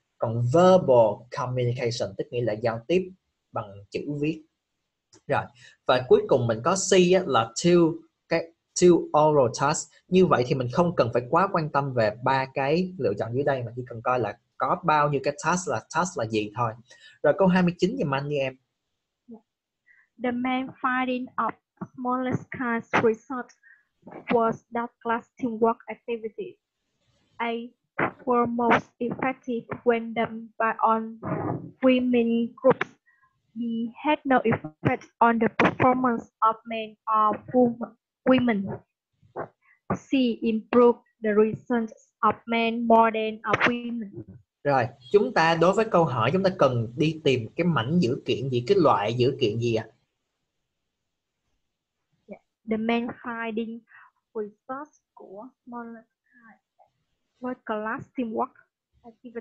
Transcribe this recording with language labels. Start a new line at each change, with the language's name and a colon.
Vietnamese: Còn verbal communication tức nghĩa là giao tiếp bằng chữ viết. Rồi, và cuối cùng mình có C á, là two oral tasks. Như vậy thì mình không cần phải quá quan tâm về ba cái lựa chọn dưới đây, mà chỉ cần coi là có bao nhiêu cái task là gì thôi. Rồi câu 29 giùm anh đi em.
English: The main finding of smallest class results was that class teamwork activity A were most effective when done by on women groups. B had no effect on the performance of men or women. C improved the results of men more than of women.
Vietnamese: Rồi, chúng ta đối với câu hỏi chúng ta cần đi tìm cái mảnh dữ kiện gì, cái loại dữ kiện gì ạ? À?
English: The main finding results của smaller class teamwork activity.